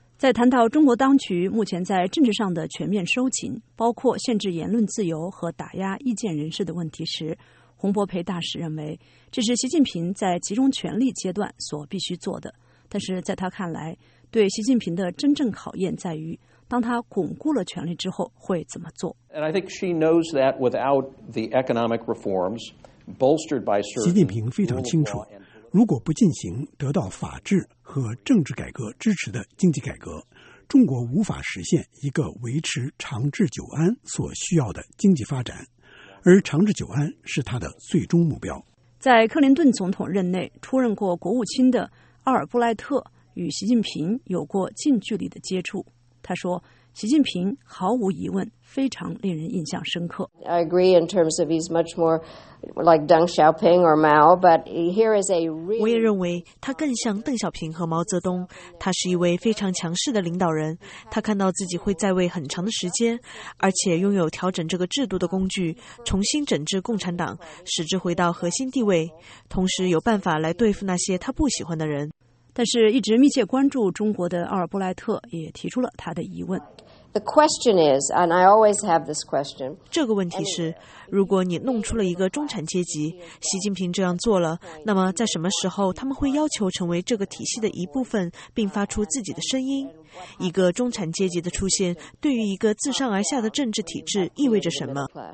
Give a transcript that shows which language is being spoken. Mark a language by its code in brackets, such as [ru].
[zh] 在谈到中国当局目前在政治上的全面收紧，包括限制言论自由和打压意见人士的问题时，洪博培大使认为这是习近平在集中权力阶段所必须做的。但是在他看来，对习近平的真正考验在于当他巩固了权力之后会怎么做。 [en] And I think she knows that without the economic reforms bolstered by certain [zh] 习近平非常清楚，如果不进行得到法治和政治改革支持的经济改革，中国无法实现一个维持长治久安所需要的经济发展，而长治久安是他的最终目标。在克林顿总统任内出任过国务卿的奥尔布莱特与习近平有过近距离的接触，他说习近平毫无疑问非常令人印象深刻。 [en] I agree in terms of he's much more like Deng Xiaoping or Mao, but here is a really. [zh] 我也认为他更像邓小平和毛泽东。他是一位非常强势的领导人，他看到自己会在位很长的时间，而且拥有调整这个制度的工具，重新整治共产党，使之回到核心地位，同时有办法来对付那些他不喜欢的人。但是一直密切关注中国的奥尔布莱特也提出了他的疑问。 [en] The question is, and I always have this question. [zh] 这个问题是，如果你弄出了一个中产阶级，习近平这样做了，那么在什么时候他们会要求成为这个体系的一部分，并发出自己的声音？一个中产阶级的出现，对于一个自上而下的政治体制意味着什么？